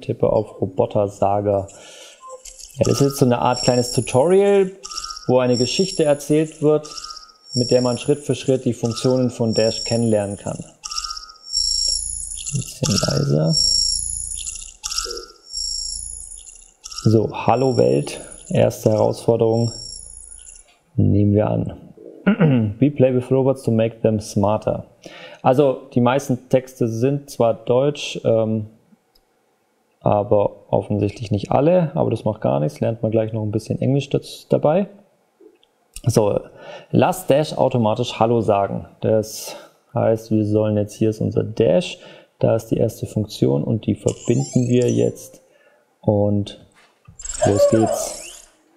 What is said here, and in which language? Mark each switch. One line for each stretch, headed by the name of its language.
German: Tippe auf Roboter Saga. Ja, das ist jetzt so eine Art kleines Tutorial, wo eine Geschichte erzählt wird, mit der man Schritt für Schritt die Funktionen von Dash kennenlernen kann. Bisschen leiser. So, hallo Welt, erste Herausforderung nehmen wir an.
English: We play with robots to make them smarter.
German: Also, die meisten Texte sind zwar deutsch, aber offensichtlich nicht alle, aber das macht gar nichts, lernt man gleich noch ein bisschen Englisch dabei. So, lass Dash automatisch Hallo sagen. Das heißt, wir sollen jetzt, hier ist unser Dash, da ist die erste Funktion und die verbinden wir jetzt und los geht's.